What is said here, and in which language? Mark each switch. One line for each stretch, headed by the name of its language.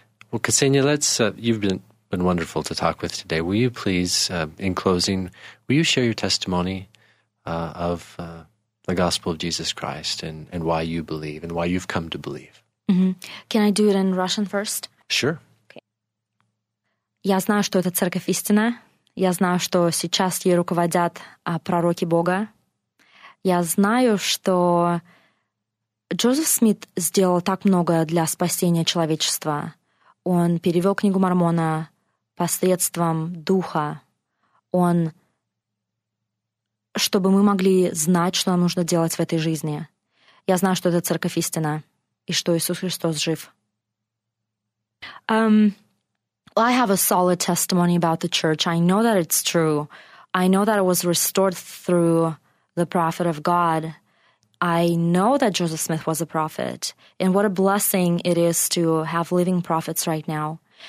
English: Well, Ksenia, you've been wonderful to talk with today. Will you please, in closing, will you share your testimony of the gospel of Jesus Christ and why you believe and why you've come to believe. Mm-hmm. Can I do it in Russian first? Sure. Okay.
Russian: Я знаю, что это церковь истина. Я знаю, что сейчас ей руководят пророки Бога. Я знаю, что Джозеф Смит сделал так много для спасения человечества. Он перевел книгу Мормона посредством Духа. Он, чтобы мы могли знать, что нам нужно делать в этой жизни. Я знаю, что это Церковь истина, и что Иисус Христос жив.
English: I have a solid testimony about the church. I know that it's true. I know that it was restored through the prophet of God. I know that Joseph Smith was a prophet, and what a blessing it is to have living prophets right now.